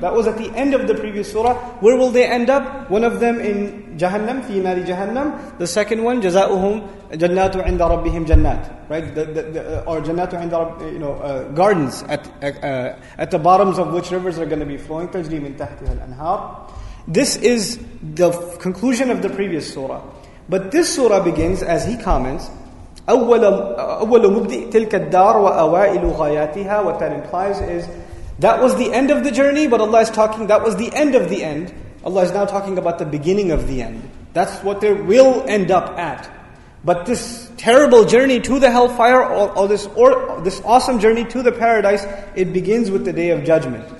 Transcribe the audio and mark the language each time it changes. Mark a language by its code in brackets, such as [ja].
[en] That was at the end of the previous surah. Where will they end up? One of them in Jahannam, [ar] fi nari Jahannam. [en] The second one, [ar] jazauhum jannatu 'inda rabbihim jannat, right? [en] Or [ar] jannatu 'inda rabb, [en] you know, gardens at the bottoms of which rivers are going to be flowing, [ar] tajri min tahtiha al-anhar. [en] This is the conclusion of the previous surah. But this surah begins, as he comments, [ar] أول مبدئ تلك الدار وأوائل غاياتها. [en] What that implies is, that was the end of the journey, but Allah is talking, that was the end of the end. Allah is now talking about the beginning of the end. That's what they will end up at. But this terrible journey to the hellfire, or this awesome journey to the paradise, it begins with the day of judgment.